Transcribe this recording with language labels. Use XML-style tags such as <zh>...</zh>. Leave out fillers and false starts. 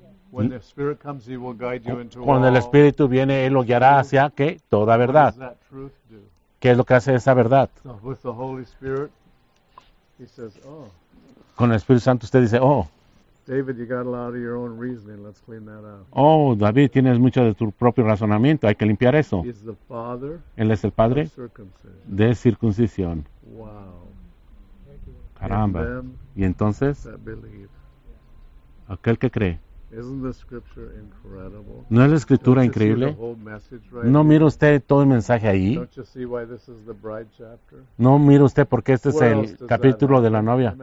<en>When the Spirit comes, he will guide you into</en> <es>Cuando el Espíritu viene, Él lo guiará hacia ¿qué? Toda verdad.</es> <en>What does that truth do?</en> <es>¿Qué es lo que hace esa verdad?</es> <en>So with the Holy Spirit, he says, oh.</en> <es>Con el Espíritu Santo usted dice, oh.</es> <en>David, you got a lot of your own reasoning. Let's clean that up.</en> <es>Oh, David, tienes mucho de tu propio razonamiento. Hay que limpiar eso.</es> <en>He's the father</en> <es>Él es el padre</es> <en>of circumcision.</en> <es>De circuncisión.</es> <en>Wow.</en> <es>Caramba. Y entonces,</es> <en>that believe.</en> <es>Aquel que cree.</es> <en>Isn't the scripture incredible?</en> <es>¿No es la escritura</es> <en>Don't</en> <es>increíble?</es> <en>You see the whole message right</en> <es>¿No</es> <en>here?</en> <es>Mira usted todo el mensaje ahí?</es> <en>Don't you see why this is the bride chapter?</en> <es>¿No mira usted por qué este es el capítulo de la novia?</es>